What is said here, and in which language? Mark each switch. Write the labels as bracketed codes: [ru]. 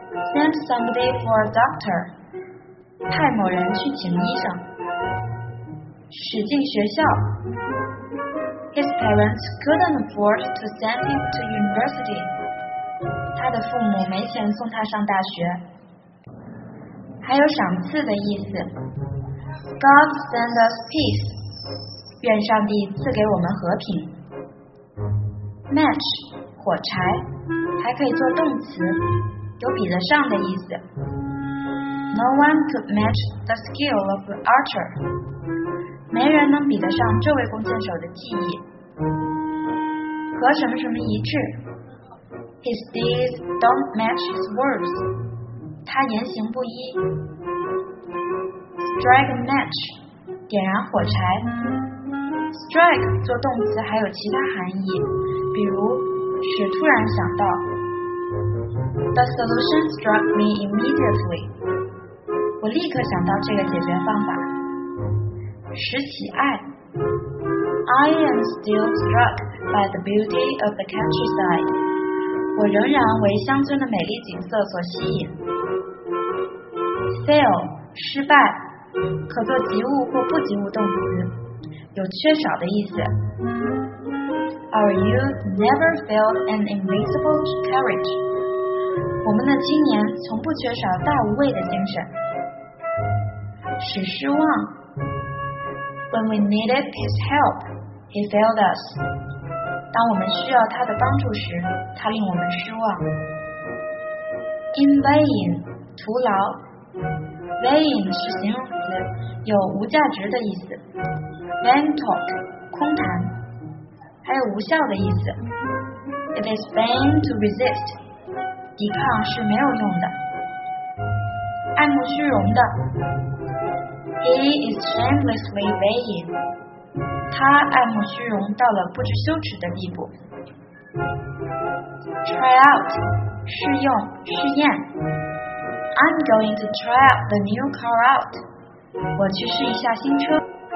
[en] Send somebody for a doctor, [zh] 派某人去请医生。驶进学校。 [en] His parents couldn't afford to send him to university. [zh] 他的父母没钱送他上大学。还有赏赐的意思。 [en] God send us peace. [zh] 愿上帝赐给我们和平。 Match, 火柴，还可以做动词，有比得上的意思。 [en] No one could match the skill of the archer. [zh] 没人能比得上这位弓箭手的技艺。和什么什么一致。 [en] His deeds don't match his words. [zh] 他言行不一。 [en] Strike a match, [zh] 点燃火柴。 Strike 做动词还有其他含义，比如使突然想到。 [en] The solution struck me immediately. [zh] 我立刻想到这个解决方法。使喜爱。 [en] I am still struck by the beauty of the countryside. [zh] 我仍然为乡村的美丽景色所吸引。 Fail, 失败，可做及物或不及物动词，有缺少的意思。 [en] Our youth never failed an invincible courage. [zh] 我们的青年从不缺少大无畏的精神。使失望。 [en] When we needed his help, he failed us. [zh] 当我们需要他的帮助时，他令我们失望。 [en] In vain, [zh] 徒劳。 Vain 是形容词，有无价值的意思。 Vain talk 空谈，还有无效的意思。 [en] It is vain to resist， [zh] 抵抗是没有用的。爱慕虚荣的。 [en] He is shamelessly vain， [zh] 他爱慕虚荣到了不知羞耻的地步。 Try out 试用、试验。 [en] I'm going to try out the new car out. [zh] 我去试一下新车。